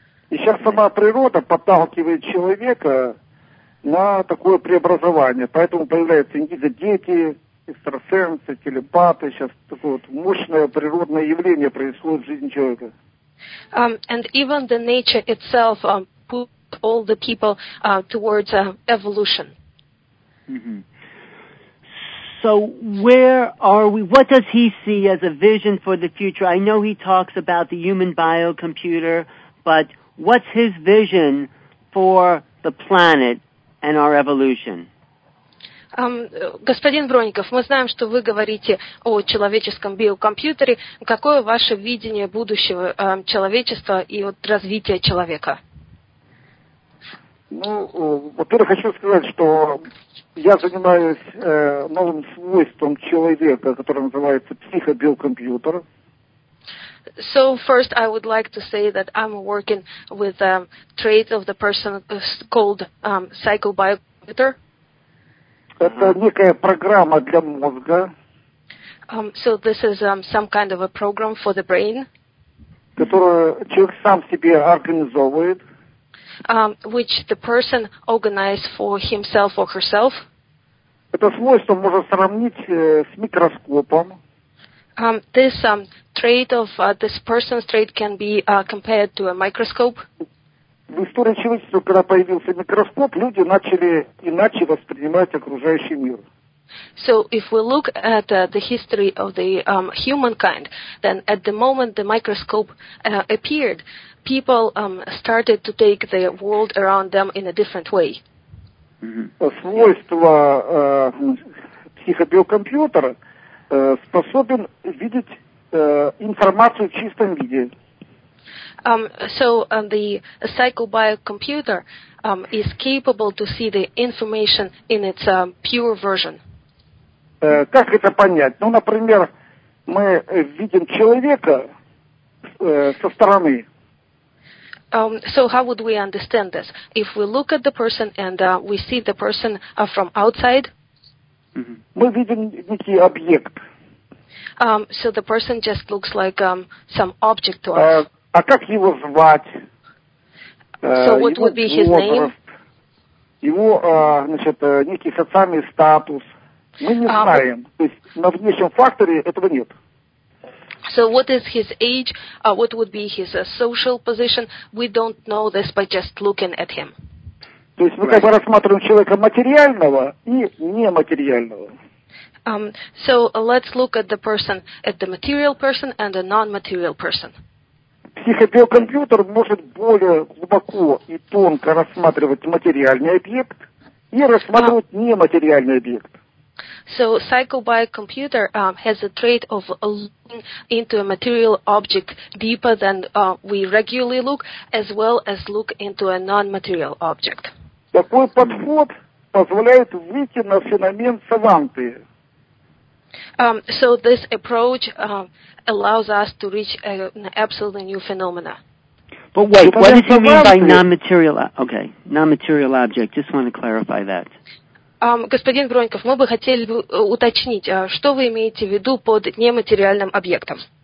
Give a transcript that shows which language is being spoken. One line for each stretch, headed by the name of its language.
Russian: И сейчас сама природа подталкивает человека на такое преобразование, поэтому появляются индиго-дети, экстрасенсы, телепаты, сейчас такое вот мощное природное явление происходит в жизни человека.
English: And even the nature itself put all the people towards evolution. Mm-hmm. So where are we? What does he see as a vision for the future? I know he talks about the human biocomputer, but what's his vision for the planet and our evolution?
Russian: Господин Бронников, мы знаем, что вы говорите о человеческом биокомпьютере. Какое ваше видение будущего человечества и вот развития человека? Ну, во-первых, хочу сказать, что я занимаюсь новым свойством человека, которое называется психобиокомпьютер.
English: So first I would like to say that I'm working with a trait of the person called psychobiocomputer.
Russian: Это некая программа для мозга.
English: So this is some kind of a program for the brain.
Russian: Которую человек сам себе организовывает.
English: Which the person organizes for himself or herself.
Russian: Это свойство можно сравнить с микроскопом.
English: This trait of this person's trait can be compared to a microscope.
Russian: В истории человечества, когда появился микроскоп, люди начали иначе воспринимать окружающий мир.
English: So if we look at the history of the humankind, then at the moment the microscope appeared, people started to take the world around them in a different way.
Russian: Свойство психобиокомпьютера способен видеть информацию в чистом виде.
English: The psychobiocomputer is capable to see the information in its pure version.
Russian: Как это понять? Ну, например, мы видим человека со стороны.
English: How would we understand this? If we look at the person and we see the person from outside,
Russian: мы видим некий объект.
English: The person just looks like some object to us.
Russian: А как его звать?
English: So what would be his name?
Russian: его значит, некий социальный статус. Мы не знаем. То есть на внешнем факторе этого нет.
English: So what is his age? What would be his social position? We don't know this by just looking at him.
Russian: То есть мы как бы рассматриваем человека материального и нематериального.
English: So let's look at the person, at the material person and the non-material person.
Russian: Психобиокомпьютер может более глубоко и тонко рассматривать материальный объект и рассматривать нематериальный объект.
English: So psychobiocomputer has a trait of looking into a material object deeper than we regularly look, as well as look into a non-material object.
Russian: Такой подход позволяет выйти на феномен саванты.
English: So this approach allows us to reach an absolutely new phenomena. But wait, what does he mean by non-material? Okay, non-material object. Just want to clarify that.
Russian: Господин Броньков, мы бы хотели бы уточнить, что вы имеете в виду под нематериальным объектом?